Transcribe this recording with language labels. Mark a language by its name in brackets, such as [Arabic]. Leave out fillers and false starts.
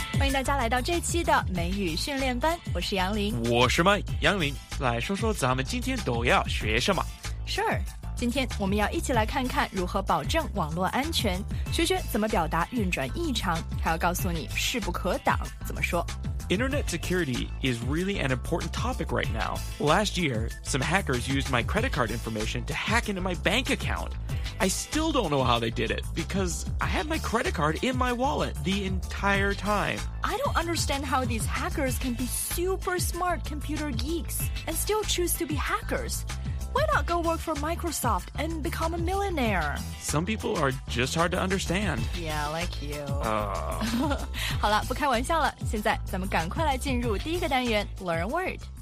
[Chinese] 大家来到这期的美语训练班，我是杨林。我是麦杨林，来说说咱们今天都要学什么。 [English] Sure， [Chinese] 今天我们要一起来看看如何保证网络安全，学学怎么表达运转异常，还要告诉你势不可挡怎么说。 [English] Internet security is really an important topic right now. Last year, some hackers used my credit card information to hack into my bank account. I still don't know how they did it, because I had my credit card in my wallet the entire time. I don't understand how these hackers can be super smart computer geeks and still choose to be hackers. Why not go work for Microsoft and become a millionaire? Some people are just hard to understand. Yeah, like you. Oh. [Chinese] 好了，不开玩笑了，现在咱们赶快来进入第一个单元 [English] Learn a Word.